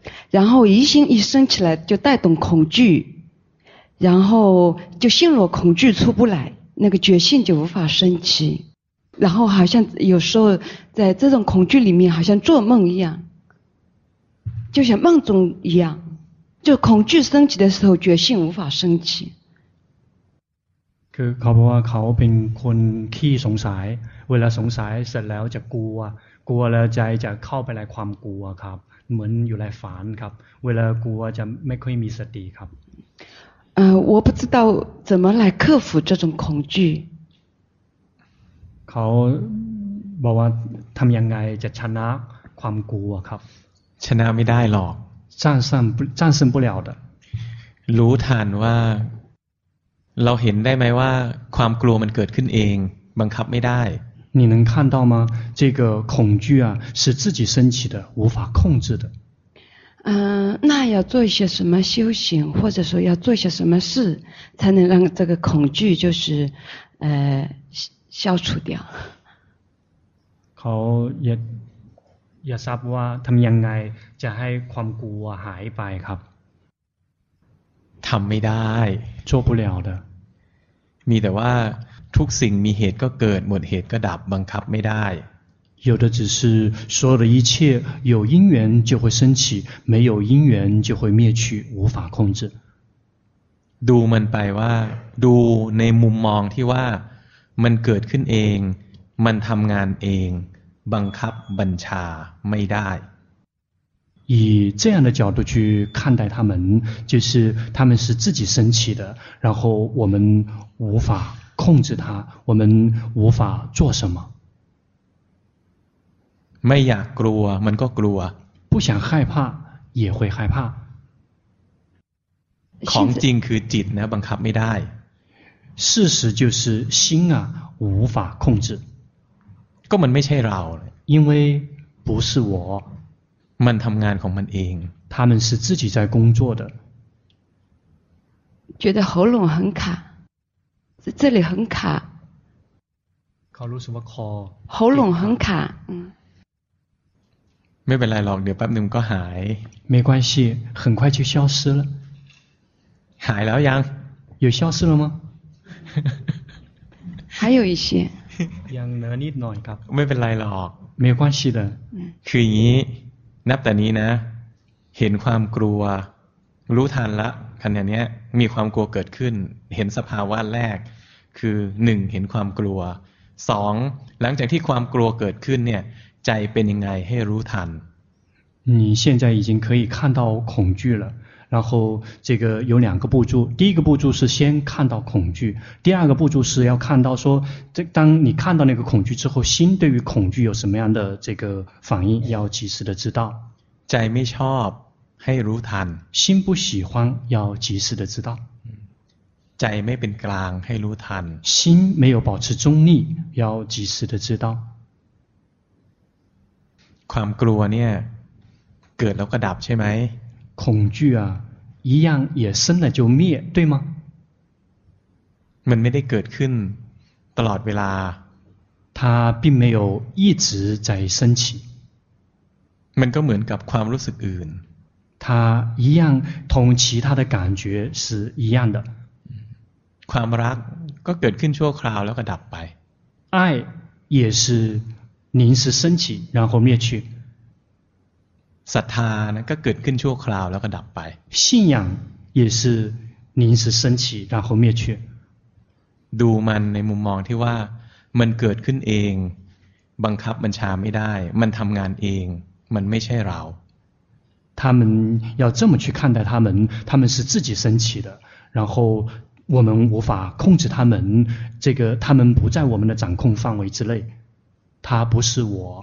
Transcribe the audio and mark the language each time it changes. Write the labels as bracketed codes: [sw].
[zh] 然后疑心一升起来就带动恐惧然后就陷入恐惧出不来那个决心就无法升起然后好像有时候在这种恐惧里面好像做梦一样就像梦中一样就恐惧升起的时候决心无法升起 [th] คือเขาบอกว่าเขาเป็นคนขี้สงสัยเวลาสงสัยเสร็จแล้วจะกลัวกลัวแล้วใจจะเข้าไปในความกลัวครับเหมือนอยู่ในฝันครับเวลากลัวจะไม่ค่อยมีสติครับ [zh] 我不知道怎么来克服这种恐惧 [th] เขาบอกว่าทํายังไงจะชนะความกลัวครับ ชนะไม่ได้หรอก [zh] 战胜不了的 [th] รู้ทันว่าเราเห็นได้ไหมว่าความกลัวมันเกิดขึ้นเองบังคับไม่ได้ [zh] 你能看到吗？这个恐惧啊，是自己升起的，无法控制的。那要做一些什么修行，或者说要做一些什么事，才能让这个恐惧就是消除掉？ [th] เขาอยากทราบว่าทำยังไงจะให้ความกลัวหายไปครับ ทำไม่ได้ [zh] 做不了的 [th] มีแต่ว่าทุกสิ่งมีเหตุก็เกิดหมดเหตุก็ดับบังคับไม่ได้ [zh] 有的只是所有的一切有因缘就会升起没有因缘就会灭去无法控制 [th] ดูมันไปว่าดูในมุมมองที่ว่ามันเกิดขึ้นเองมันทำงานเองบังคับบัญชาไม่ได้ [zh] 以这样的角度去看待他们就是他们是自己升起的然后我们无法控制他我们无法做什么 [th] ไม่อยากกลัวมันก็กลัว [zh] 不想害怕也会害怕 [th] ของจริงคือจิตนะบังคับไม่ได้ [zh] 事实就是心啊无法控制 [th] ก็มันไม่ใช่เรา [zh] 因为不是我 [th] มันทำงานของมันเอง [zh] 他们是自己在工作的觉得喉咙很卡这里很卡 [th] เขารู้สึกว่าคอ [zh] 喉咙很卡 [th] ไม่เป็นไรหรอกเดี๋ยวแป๊บนึงก็หาย [zh] 没关系很快就消失了 [th] หายแล้วยัง [zh] 有消失了吗还有一些 [th] ยังเหนือนิดหน่อยครับ ไม่เป็นไรหรอก ไม่ [zh] 关系的 [th] คืออย่างนี้นับแต่นี้นะเห็นความกลัวรู้ทันละขณะนี้มีความกลัวเกิดขึ้นเห็นสภาวะแรกคือ 1. เห็นความกลัว 2. หลังจากที่ความกลัวเกิดขึ้นเนี่ยใจเป็นยังไงให้รู้ทัน [zh] 你现在已经可以看到恐惧了然后这个有两个步骤第一个步骤是先看到恐惧第二个步骤是要看到说这当你看到那个恐惧之后心对于恐惧有什么样的这个反应要及时的知道在没 [th] ชอบให้รู้ทัน [zh] 心不喜欢要及时的知道在没 [th] เป็นกลางให้รู้ทัน [zh] 心没有保持中立要及时的知道 [th] ความกลัวเนี่ยเกิดแล้วก็ดับใช่ไหม [zh] 恐惧啊一样也生了就灭对吗 [th] มันไม่ได้เกิดขึ้นตลอดเวลา [zh] 它并没有一直在升起 [th] มันก็เหมือนกับความรู้สึกอื่น [zh] 它一样同其他的感觉是一样的 [th] ความรักก็เกิดขึ้นชั่วคราวแล้วก็ดับไป [zh] 爱也是临时升起然后灭去 [th] ศรัทธานะก็เกิดขึ้นชั่วคราวแล้วก็ดับไป [zh] 信仰也是临时升起然后灭去 [th] ดูมันในมุมมองที่ว่ามันเกิดขึ้นเองบังคับบัญชาไม่ได้มันทำงานเองมันไม่ใช่เรา [zh] 他们要这么去看待他们是自己升起的然后我们无法控制他们这个他们不在我们的掌控范围之内他不是我